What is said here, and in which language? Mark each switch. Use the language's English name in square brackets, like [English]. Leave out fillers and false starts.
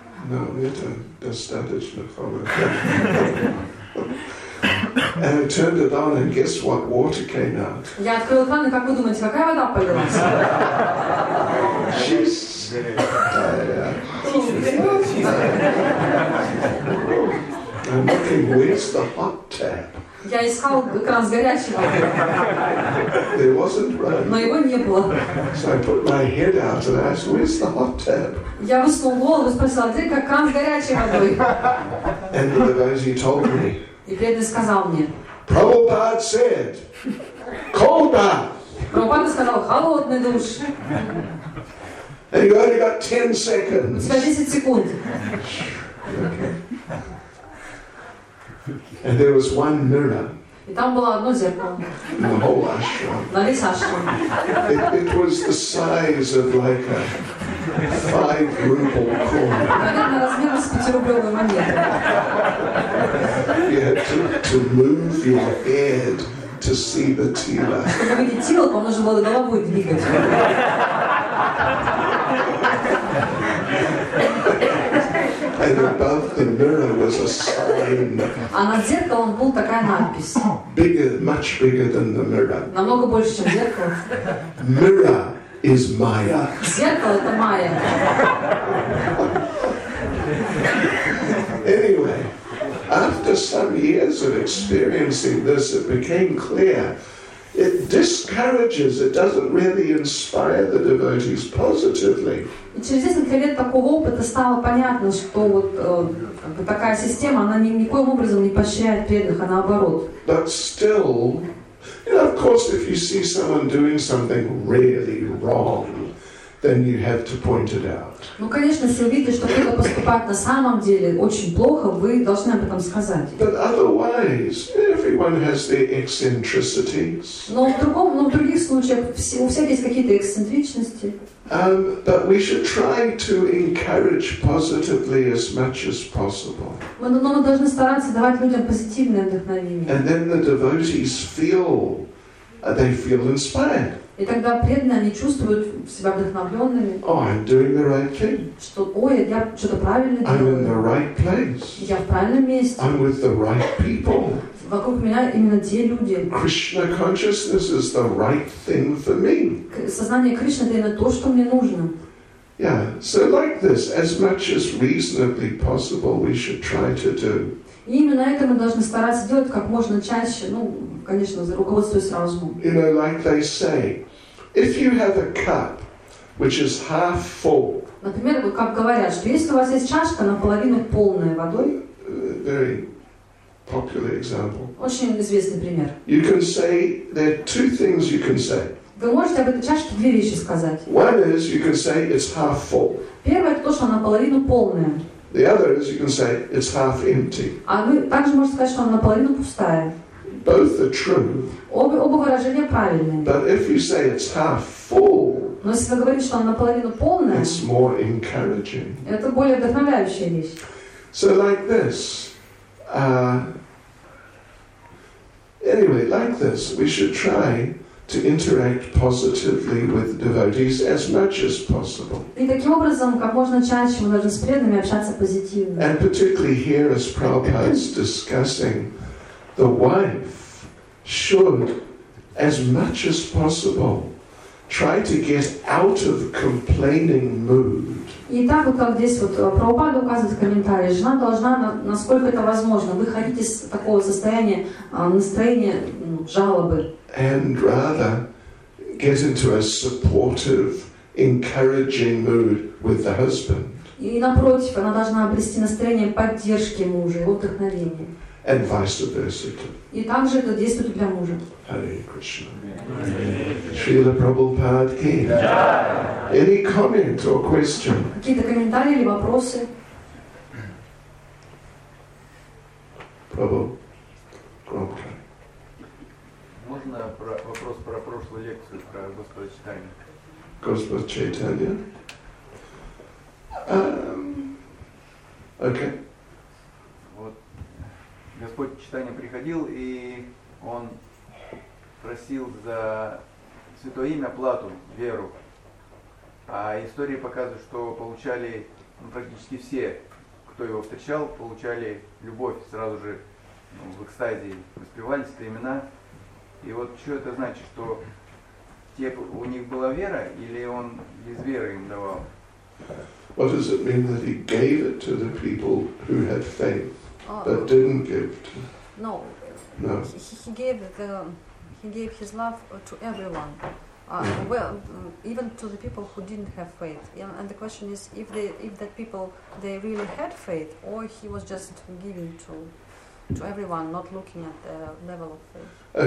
[English] No, [Russian] это достаточно холодно. [English] And I turned it on, and guess what water came out? [Russian] Я открыл кран, и как вы думаете, какая вода полилась? [English] She's I'm looking, where's the hot tap? [Russian] Я искал кран с горячей водой. [English] There wasn't one. [Russian] Но его не было. [English] So I put my head out and asked, where's the hot tap? [Russian] Я высунул голову и спросил, где кран с горячей водой? [English] And the devotee told me. [Russian] И преданный сказал мне. [English] Prabhupada said, cold bath. [Russian] Прабхупада сказал, холодный душ. [English] And you only got 10 seconds. [Russian] У тебя 10 секунд. [English] Okay. And there was one mirror. [Russian] И там было одно зеркало. [English] In the whole ashram. [Russian] На весь ашрам. [English] It was the size of like a 5-ruble coin. [Russian] Примерно размером с 5-рублевую монету. [English] You had to move your head to see the tila. [Russian] Чтобы видеть тилу, вам нужно было головой двигать. [English] And above the mirror was a sign. [Russian] А над зеркалом был такая надпись. [English] Bigger, much bigger than the mirror. [Russian] Намного больше, чем зеркало. [English] Mirror is Maya. [Russian] Зеркало это Майя. [English] Anyway, after some years of experiencing this, it became clear. It discourages, it doesn't really inspire the devotees positively. [Russian] И через несколько лет такого опыта стало понятно, что вот такая система, она никоим образом не поощряет преданных, а наоборот. [English] But still, you know, of course, if you see someone doing something really wrong, then you have to point it out. [Russian] Ну, конечно, если увидите, что кто-то поступает на самом деле очень плохо, вы должны об этом сказать. [English] But otherwise, everyone has their eccentricities. [Russian] Но в других случаях у всех есть какие-то эксцентричности. [English] But we should try to encourage positively as much as possible. [Russian] Но мы должны стараться давать людям позитивное вдохновение. [English] And then the devotees feel, they feel inspired. [Russian] И тогда преданные, они чувствуют себя вдохновленными. [English] Oh, I'm doing the right thing. [Russian] Что, ой, я что-то правильно [English] I'm [Russian] делаю. [English] I'm in the right place. [Russian] Я в правильном месте. [English] I'm with the right people. [Russian] Вокруг меня именно те люди. [English] Krishna consciousness is the right thing for me. [Russian] Сознание Кришны – это именно то, что мне нужно. [English] Yeah, so like this, as much as reasonably possible, we should try to do. [Russian] И именно это мы должны стараться делать как можно чаще, ну, конечно, за руководствуясь разумом. [English] You know, like they say, if you have a cup, which is half full. [Russian] Например, вот как говорят, что если у вас есть чашка наполовину полная водой. [English] Very popular example. [Russian] Очень известный пример. [English] You can say there are two things you can say. [Russian] Вы можете об этой чашке две вещи сказать. [English] One is you can say it's half full. [Russian] Первое это то, что она наполовину полная. [English] The other is you can say it's half empty. [Russian] А вы также можете сказать, что она наполовину пустая. [English] Both are true. [Russian] Оба выражения правильные. [English] But if you say it's half full, [Russian] но если вы говорите, что она наполовину полная, [English] it's more encouraging. [Russian] Это более вдохновляющая вещь. [English] So like this. Anyway, like this, we should try to interact positively with devotees as much as possible. [Russian] И таким образом, как можно чаще, мы должны с преданными общаться позитивно. [English] And particularly here, as Prabhupada's discussing, the wife should, as much as possible, try to get out of complaining mood. [Russian] И так вот, как здесь вот Прабхупада указывает в комментарии, жена должна, насколько это возможно, выходить из такого состояния, настроения, ну, жалобы. [English] And rather get into a supportive, encouraging mood with the husband. [Russian] И напротив, она должна обрести настроение поддержки мужа, вдохновения. [English] And vice versa. [Russian] И также это действует для мужа. [English] Hare Krishna. Srila Prabhupada ki. Any comment or question? [Russian] Какие-то комментарии или вопросы? Прабхупада. Можно вопрос про прошлую лекцию, про Господа Чайтанья? Господь Чайтанья? [English] Okay. [Russian] Вот Господь Чайтанья приходил, и он просил за святое имя плату, веру. А истории показывают, что получали, ну, практически все, кто его встречал, получали любовь сразу же, ну, в экстазе, воспевались эти имена. И вот что это значит, что те, у них была вера, или он без веры им давал? [English] What does it mean that he gave it to the people who had faith but didn't give to? No. No. He gave the, he gave his love to everyone. Well, even to the people who didn't have faith. And the question is, if they, if that people, they really had faith, or he was just giving to everyone, not looking at the level of faith.